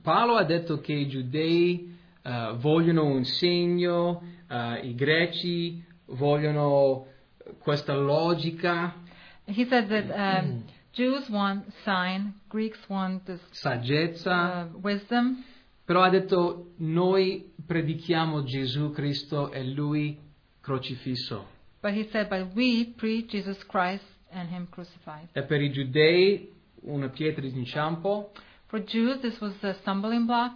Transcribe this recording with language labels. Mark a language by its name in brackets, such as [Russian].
[Italian] Paolo ha detto che i giudei vogliono un segno, i greci vogliono questa logica. [English] he said that Jews want sign, Greeks want this [Italian] Saggezza. [English] wisdom. [Italian] Però ha detto, noi predichiamo Gesù Cristo e lui crocifisso. [English] But he said, but we preach Jesus Christ and him crucified. [Italian] E per i giudei una pietra d'inciampo. [English] For Jews, this was a stumbling block.